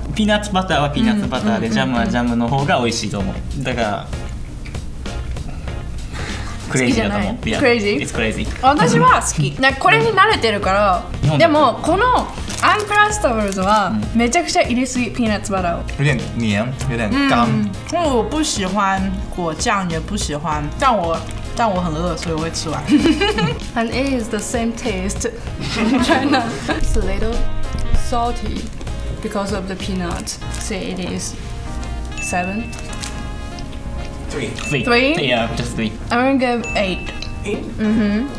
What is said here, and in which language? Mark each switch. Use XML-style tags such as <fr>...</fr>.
<ja>ピーナッツバターはピーナッツバターでジャムはジャムの方が美味しいと思う。だから。クレイジーだと思う。クレイジー。</ja> <en>It's crazy。</en> <ja>私は好き。なんかこれに慣れてるから。でもこの。アンクラスタブルズはめちゃくちゃ入れすぎ、ピーナッツバターを</ja> <zh>有点黏、有点干因为我不喜欢果酱也不喜欢但我很饿所以我会吃完</zh> <en>And it is the same taste in China It's a little salty because of the peanut Say it is 7? 3 Yeah, just 3 I'm gonna give 8 8?</en>